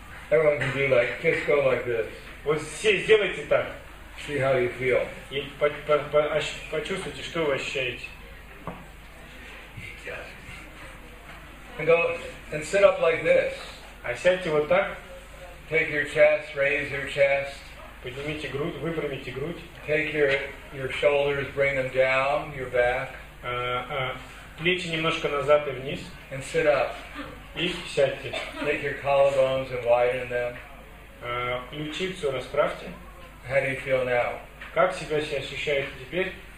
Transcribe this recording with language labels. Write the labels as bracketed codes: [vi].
[en] Everyone can do like, just go like this. [ru] Вот все сделайте так. [en] See how you feel. [ru] И почувствуйте, что вы ощущаете. [en] And go and sit up like this. [ru] А сядьте вот так. [en] Take your chest, raise your chest. [ru] Поднимите грудь, выпрямите грудь. [en] Take your shoulders, bring them down, your back. [ru] Плечи немножко назад и вниз. [en] And sit up. [ru] И сядьте. [en] Take your collarbones and widen them. [ru] Ключицу расправьте. [en] How do you feel now? [ru] Как себя сейчас ощущаете теперь?